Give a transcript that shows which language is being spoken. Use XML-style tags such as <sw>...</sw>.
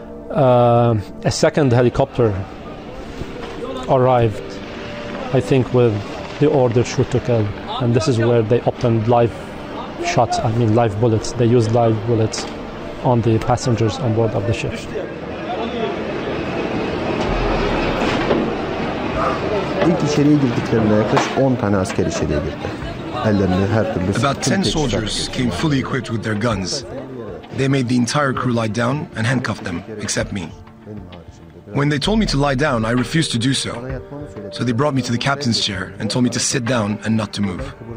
<en>A second helicopter arrived, I think, with the order shoot to kill. And this is where they opened live shots, I mean live bullets. They used live bullets on the passengers on board of the ship.</en> <tr>İlk içeriye girdiklerinde yaklaşık 10 tane asker içeriye girdi. Ellerinde her türlü...</tr> <en>About 10 soldiers came fully equipped with their guns. They made the entire crew lie down and handcuffed them, except me. When they told me to lie down, I refused to do so. So they brought me to the captain's chair and told me to sit down and not to move.</en>